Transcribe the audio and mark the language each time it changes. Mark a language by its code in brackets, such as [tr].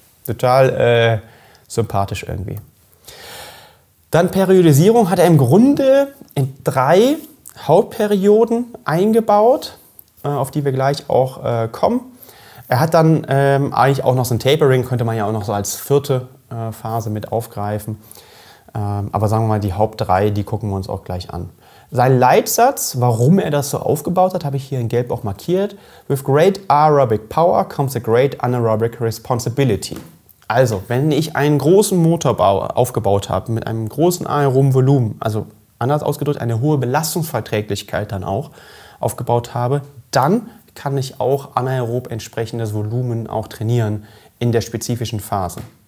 [de] Total sympathisch irgendwie. Dann Periodisierung hat er im Grunde in 3 Hauptperioden eingebaut, auf die wir gleich auch kommen. Er hat dann eigentlich auch noch so ein Tapering, könnte man ja auch noch so als 4. Phase mit aufgreifen. Aber sagen wir mal, die Haupt-3, die gucken wir uns auch gleich an. Sein Leitsatz, warum er das so aufgebaut hat, habe ich hier in Gelb auch markiert. [en] With great aerobic power comes a great anaerobic responsibility. [de] Also, wenn ich einen großen Motor aufgebaut habe, mit einem großen aeroben Volumen, also anders ausgedrückt, eine hohe Belastungsverträglichkeit dann auch aufgebaut habe, dann kann ich auch anaerob entsprechendes Volumen auch trainieren in der spezifischen Phase.